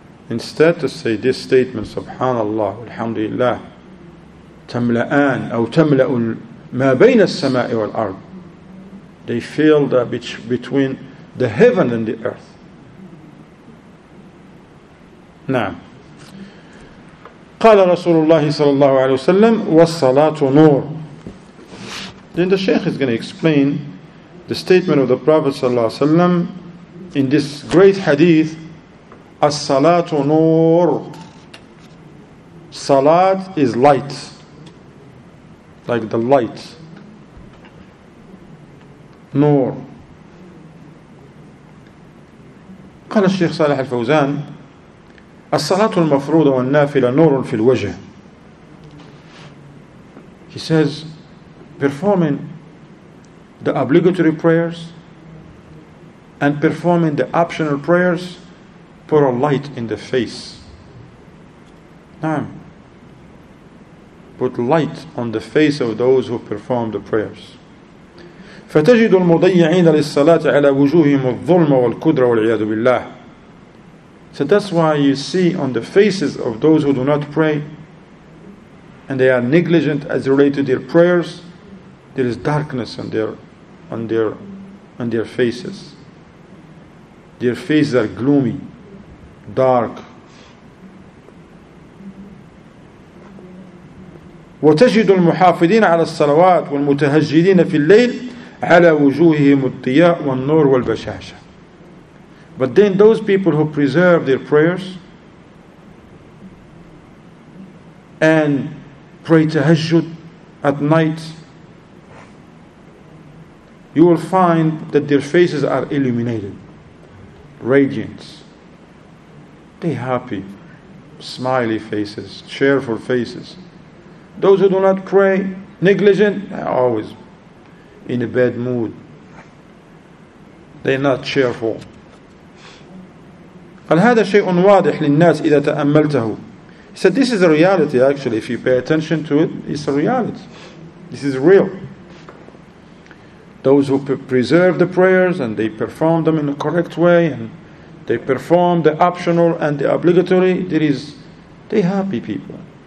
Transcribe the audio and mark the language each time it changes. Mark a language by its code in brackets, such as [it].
[en] Instead to say this statement, [ar] SubhanAllah, Alhamdulillah, تملأان أو تملأ ما بين السماء والأرض. [en] They feel that between the heaven and the earth. [ar] نعم. قال رسول الله صلى الله عليه وسلم والصلاة نور. [en] Then the Shaykh is going to explain the statement of the Prophet صلى الله عليه وسلم in this great hadith. [ar] الصلاة نور. [en] Salat is light, like the light. [ar] نور. قال الشيخ صالح الفوزان الصلاة المفروضة والنافلة نور في الوجه. [en] He says, performing the obligatory prayers and performing the optional prayers put a light in the face. Naam. Put light on the face of those who perform the prayers. [ar] فتجد المضيعين للصلاة على وجوههم الظلم والكدرة والعياذ بالله. [en] So that's why you see on the faces of those who do not pray and they are negligent as related to their prayers, there is darkness on their faces. Their faces are gloomy, dark. [ar] وتجد المحافظين على الصلوات والمتهجدين في الليل على وجوههم الضياء والنور والبشاشة. [en] But then those people who preserve their prayers and pray tahajjud at night, you will find that their faces are illuminated, radiant. They happy, smiley faces, cheerful faces. Those who do not pray, negligent, are always in a bad mood. They're not cheerful. [ar] قال هذا شيء واضح للناس إذا تأملته. [en] He said this is a reality actually. If you pay attention to it, it's a reality. This is real. Those who preserve the prayers and they perform them in the correct way and they perform the optional and the obligatory, they happy people.